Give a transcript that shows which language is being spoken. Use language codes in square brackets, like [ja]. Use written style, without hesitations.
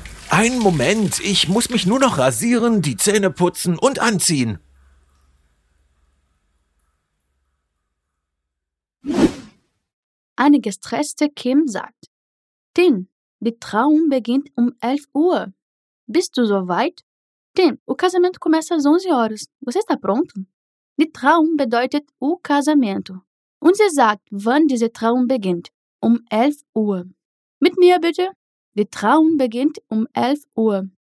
[de] Einen Moment, ich muss mich nur noch rasieren, die Zähne putzen und anziehen. Eine gestresste Kim sagt, Tim, die Trauung beginnt um 11 Uhr. Bist du soweit? [pt] Tim, o casamento começa às 11 horas. Você está pronto? [de] Die Trauung bedeutet [pt] o casamento. [de] Und sie sagt, wann diese Trauung beginnt. Um 11 Uhr. Mit mir bitte. Die Trauung beginnt um 11 Uhr.